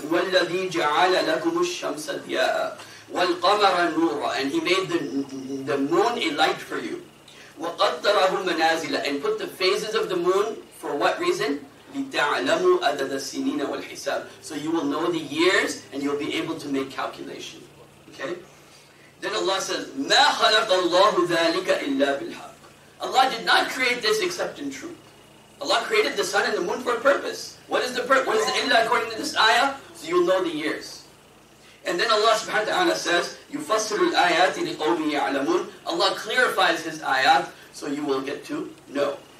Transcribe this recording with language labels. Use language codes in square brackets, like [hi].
[ar] وَالَّذِي جَعَلَ لَكُمُ الشَّمْسَ ضِيَاءً وَالْقَمَرَ نُورًا. [en] And He made the moon a light for you. [ar] وَقَدَّرَهُ مَنَازِلًا. [en] And put the phases of the moon for what reason? [ar] لِتَعْلَمُوا أَدَدَ السِّنِينَ وَالْحِسَابِ. [en] So you will know the years and you'll be able to make calculation. Okay? Then Allah says, [ar] مَا خَلَقَ اللَّهُ ذَٰلِكَ إِلَّا بِالْحَقِّ. [en] Allah did not create this except in truth. Allah created the sun and the moon for a purpose. What is the purpose? What is the illa according to this ayah? So you'll know the years. And then Allah subhanahu wa ta'ala says, [ar] يُفَصِّلُ الْآيَاتِ لِقَوْمِ يَعْلَمُونَ. [en] Allah clarifies His ayat, so you will get to know.